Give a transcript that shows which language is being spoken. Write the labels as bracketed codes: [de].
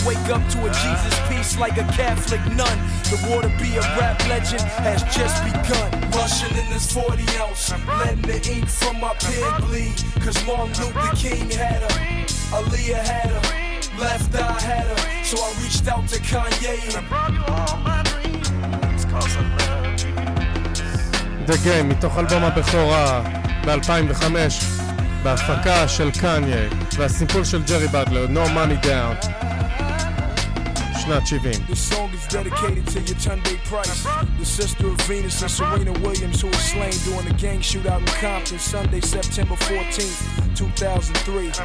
[en] Wake up to a Jesus piece like a Catholic nun. The war to be a rap legend has just begun. Rushing in this 40 ounce, letting the ink from my pen bleed. Cause Martin Luther King had her, Aaliyah had her, Left Eye had her. So I reached out to Kanye and I brought you all my dreams. Cause I love you. [he] The Game, מתוך אלבום הבכורה ב-2005, בהפקה של קניה והסימפול של ג'רי בדלר, No Money Down, שנת 70. [en] This song is dedicated to your Tunde Price, the sister of Venus and Serena Williams, who was slain during the gang shootout in Compton Sunday, September 14th, 2003.